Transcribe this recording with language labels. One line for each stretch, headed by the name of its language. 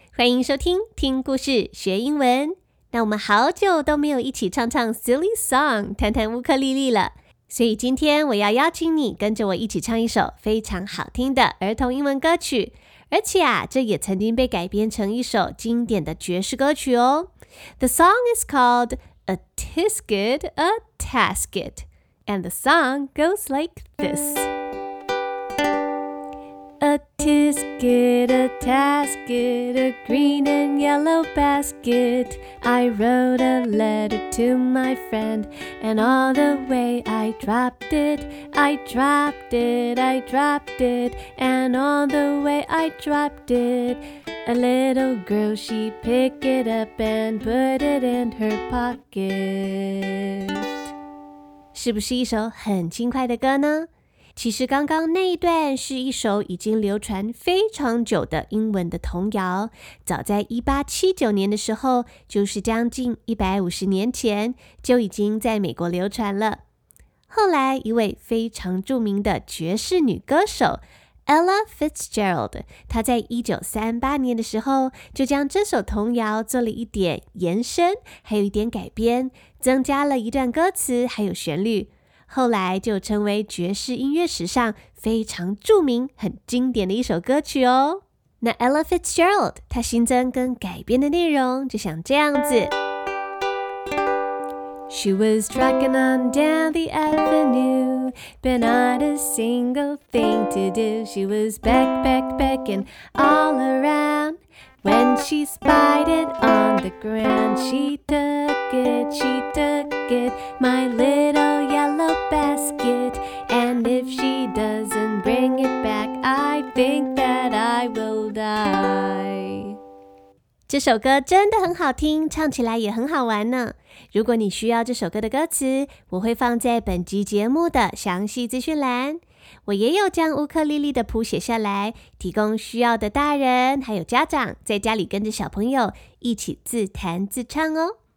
Chinese: 欢迎收听听故事学英文。那我们好久都没有一起唱唱 silly song, 谈谈乌克丽丽了。所以今天我要邀请你跟着我一起唱一首非常好听的儿童英文歌曲。而且啊，这也曾经被改编成一首经典的爵士歌曲哦。
English: The song is called A Tisket, A Tasket. And the song goes like this. A tisket, a tasket, a green and yellow basket. I wrote a letter to my friend, and all the way I dropped it. I dropped it, I dropped it, and all the way I dropped it. A little girl, she picked it up and put it in her pocket.
Chinese: 是不是一首很轻快的歌呢？其实刚刚那一段是一首已经流传非常久的英文的童谣，早在1879年的时候，就是将近150年前就已经在美国流传了。后来一位非常著名的爵士女歌手 Ella Fitzgerald， 她在1938年的时候就将这首童谣做了一点延伸，还有一点改编，增加了一段歌词还有旋律，后来就成为爵士音乐史上非常著名、很经典的一首歌曲哦。那 Ella Fitzgerald 她新增跟改编的内容就像这样子。
English: She was trucking on down the avenue, but not a single thing to do. She was beck, beck, becking all around. When she spied it on the ground, she took it, she took it, my little yellow basket. And if she doesn't bring it back, I think that I will die.
Chinese: 这首歌真的很好听，唱起来也很好玩呢。如果你需要这首歌的歌词，我会放在本集节目的详细资讯栏。我也有将乌克丽丽的谱写下来，提供需要的大人还有家长在家里跟着小朋友一起自弹自唱哦。